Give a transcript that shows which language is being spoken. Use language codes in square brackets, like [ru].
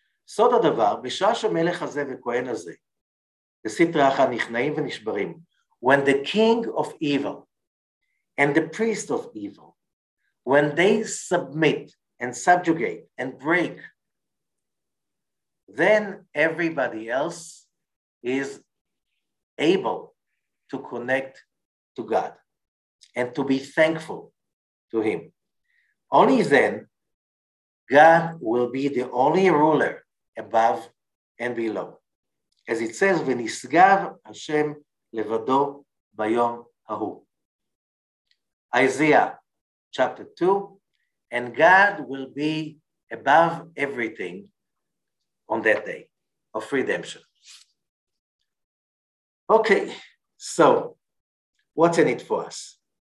[he] סוד הדבר, בשעה שהמלך הזה וכהן הזה, בסתרי אחר נכנעים ונשברים, [en] when the king of evil and the priest of evil, when they submit and subjugate and break, then everybody else is able to connect to God and to be thankful to him. Only then God will be the only ruler above and below. As it says, [he] ונשגב השם לבדו ביום ההוא. [en] Isaiah chapter 2, and God will be above everything on that day of redemption. Okay, so what's in it for us?